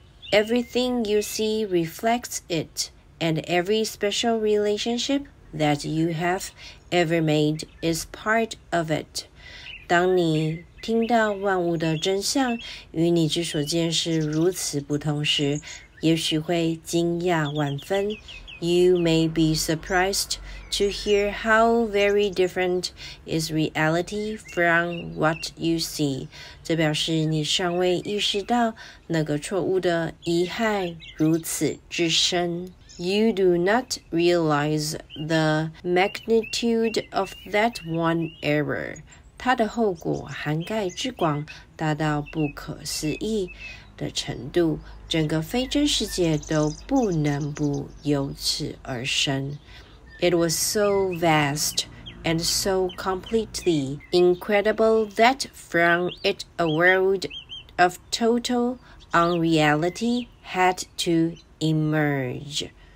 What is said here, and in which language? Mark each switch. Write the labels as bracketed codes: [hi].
[en] Everything you see reflects it, and every special relationship that you have ever made is part of it. [zh] 当你听到万物的真相与你之所见是如此不同时，也许会惊讶万分， [en] You may be surprised to hear how very different is reality from what you see. [zh] 这表示你尚未意识到那个错误的遗害如此之深。 [en] You do not realize the magnitude of that one error. [zh] 它的后果涵盖之广，大到不可思议的程度，整个非真世界都不能不由此而生。 [en] It was so vast and so completely incredible that from it a world of total unreality had to emerge.